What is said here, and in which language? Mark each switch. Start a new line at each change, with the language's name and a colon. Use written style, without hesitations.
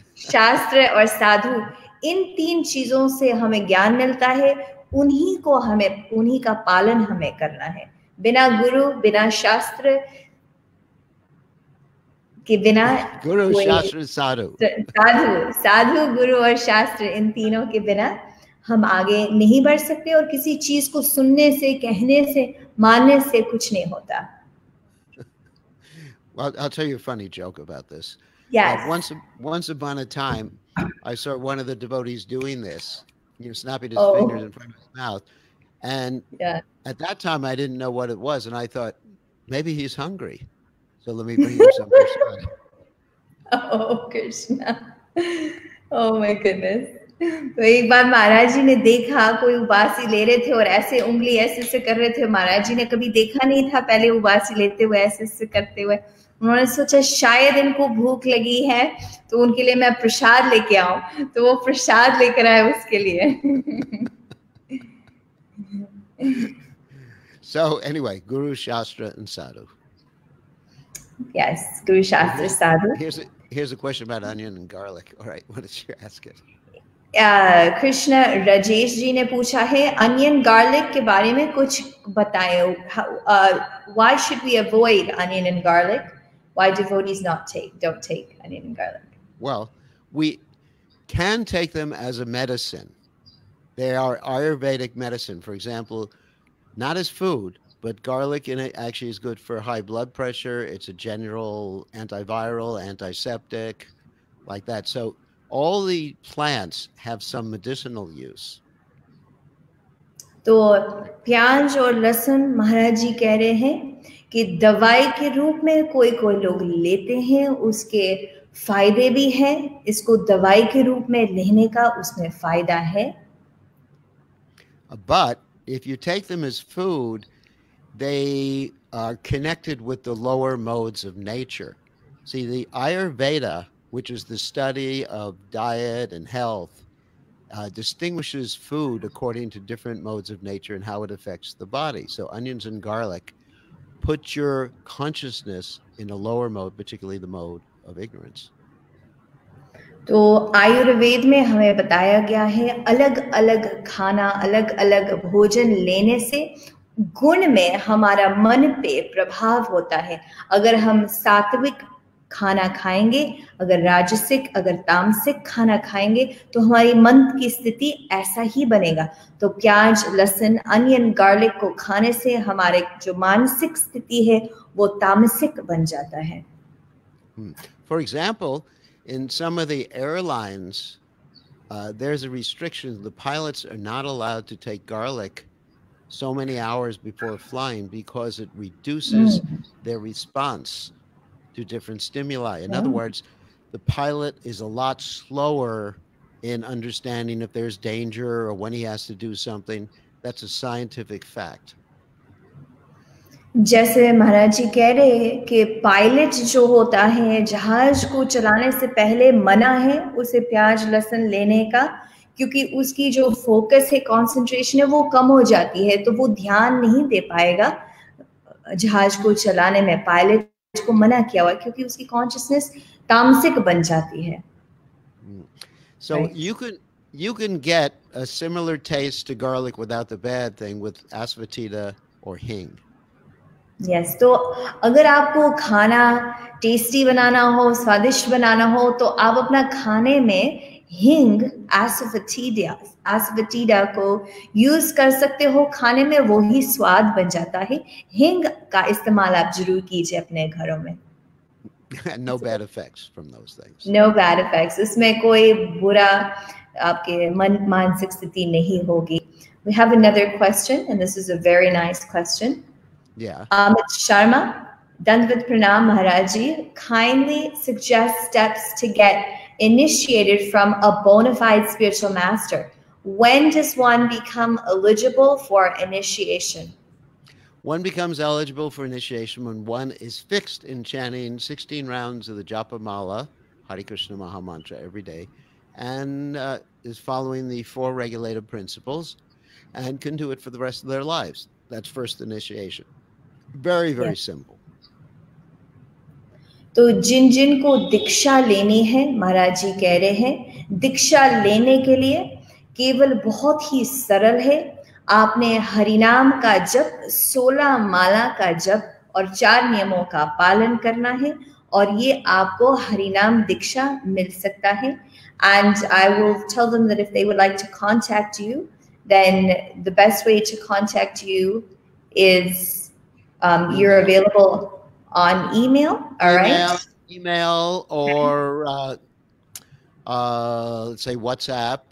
Hindi: शास्त्र और साधु इन तीन चीजों से हमें ज्ञान मिलता है उन्हीं को हमें उन्हीं का पालन हमें करना है बिना गुरु बिना शास्त्र कि बिना गुरु शास्त्र साधु साधु गुरु और शास्त्र इन तीनों के बिना हम आगे नहीं बढ़ सकते और किसी चीज को सुनने से कहने से मानने से कुछ नहीं होता
English: Well, I'll tell you a funny joke about this. Yes. Once upon a time, I saw one of the devotees doing this, snapping his fingers in front of his mouth. And at that time, I didn't know what it was. And I thought, maybe he's hungry. So let me bring him some prasad. Oh, Krishna. Oh, my goodness.
Hindi: तो एक बार महाराज जी ने देखा कोई उबासी ले रहे थे और ऐसे उंगली ऐसे से कर रहे थे महाराज जी ने कभी देखा नहीं था पहले उबासी लेते हुए ऐसे से करते हुए उन्होंने सोचा शायद इनको भूख लगी है तो उनके लिए मैं प्रसाद लेके आऊं तो वो प्रसाद लेकर आए उसके लिए
English: So anyway, Guru, Shastra and Sadhu. Yes, Guru, Shastra, Sadhu. Here's a question about onion and garlic. All right, what did you ask it? Krishna Rajesh
Hindi: ji ne pucha hai onion garlic ke bare mein kuch bataye
English: why should we avoid onion and garlic why devotees don't take onion and garlic well we can take them as a medicine they are ayurvedic medicine for example not as food but garlic in it actually is good for high blood pressure it's a general antiviral antiseptic like that so All the plants have some medicinal use.
Hindi: तो प्याज और लहसुन महाराज जी कह रहे हैं कि दवाई के रूप में कोई कोई लोग लेते हैं उसके फायदे भी हैं इसको दवाई के रूप में लेने का उसमें फायदा है.
English: But if you take them as food, they are connected with the lower modes of nature. See the Ayurveda. Which is the study of diet and health, distinguishes food according to different modes of nature and how it affects the body. So onions and garlic put your consciousness in a lower mode, particularly the mode of ignorance.
Hindi: तो आयुर्वेद में हमें बताया गया है अलग-अलग खाना, अलग-अलग भोजन लेने से गुण में हमारा मन पे प्रभाव होता है। अगर हम सात्विक खाना खाएंगे अगर राजसिक अगर तामसिक खाना खाएंगे तो हमारी मन की स्थिति ऐसा ही बनेगा तो प्याज लहसुन अनियन गार्लिक को खाने से हमारे जो मानसिक स्थिति है वो तामसिक बन जाता है
English: For example in some of the airlines there is a restriction the pilots are not allowed to take garlic so many hours before flying because it reduces their response to different stimuli. In other words, the pilot is a lot slower in understanding if there's danger or when he has to do something. That's a scientific fact.
Hindi: जैसे महाराज जी कह रहे हैं कि pilot जो होता है जहाज को चलाने से पहले मना है उसे प्याज लहसुन लेने का क्योंकि उसकी जो फोकस है कंसंट्रेशन है वो कम हो जाती है तो वो ध्यान नहीं दे पाएगा जहाज को चलाने में पायलट को मना किया हुआ क्योंकि उसकी कॉन्शियसनेस तामसिक बन जाती है.
English: So you can get a similar taste to garlic without the bad thing with asafoetida or hing. Yes.
Hindi: So अगर आपको खाना tasty बनाना हो, स्वादिष्ट बनाना हो, तो आप अपना खाने में hing, asafoetida को use कर सकते हो. खाने में वो ही स्वाद बन जाता है. Hing का इस्तेमाल आप जरूर कीजिए अपने घरों में.
English: And no bad effects from those things. No bad effects.
Hindi: इसमें कोई बुरा आपके मन मानसिक स्थिति नहीं होगी.
English: We have another question, and this is a very nice question. Yeah. Amit Sharma, Dandavat Pranam Maharaji, kindly suggest steps to get initiated from a bona fide spiritual master. When does one become eligible for initiation? One becomes eligible for initiation when one is fixed in chanting 16 rounds of the Japa Mala, Hare Krishna Maha Mantra, every day, and is following the four regulative principles and can do it for the rest of their lives. That's first initiation. Very, very simple.
Hindi: तो जिन जिन को दीक्षा लेनी है, महाराज जी कह रहे हैं, दीक्षा लेने के लिए केवल बहुत ही सरल है. आपने हरिनाम का जप, 16 माला का जप और 4 नियमों का पालन करना है और ये आपको हरिनाम दीक्षा मिल सकता है.
English: And I will tell them that if they would like to contact you, then the best way to contact you is you're available on email, all right? Email or let's say WhatsApp.